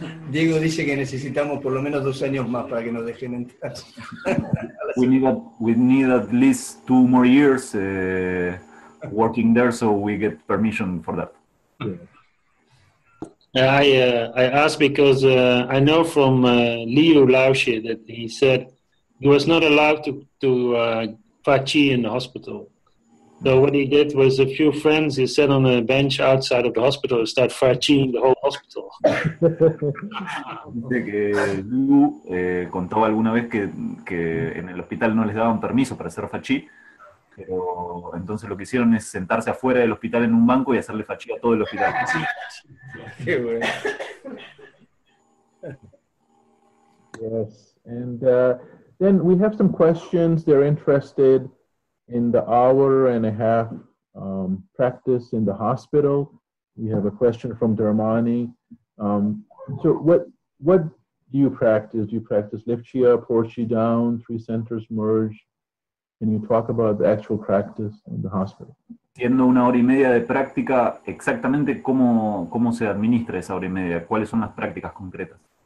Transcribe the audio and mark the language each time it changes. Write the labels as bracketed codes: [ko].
[es] Diego dice que necesitamos por lo menos 2 años más para que nos dejen entrar. [en] We need at least 2 more years working there so we get permission for that. Yeah. I asked because I know from Liu Laoshi that he said he was not allowed to Fa Chi in the hospital. So what he did was a few friends, he sat on a bench outside of the hospital and started Fa Chi in the whole hospital. [es] Dice que Liu contaba alguna vez que en el hospital no les daban permiso para hacer Fa Chi, pero entonces lo que hicieron es sentarse afuera del hospital en un banco y hacerle Fa Chi a todo el hospital. Sí. [en] Yes, and then we have some questions. They're interested in the hour and a half practice in the hospital. We have a question from Dharmani. So what do you practice? Do you practice Lift Chi Up, Pour Chi Down, Three Centers Merge? Can you talk about the actual practice in the hospital? [es] Siendo una hora y media de práctica, exactamente cómo se administra esa hora y media, cuáles son las prácticas concretas.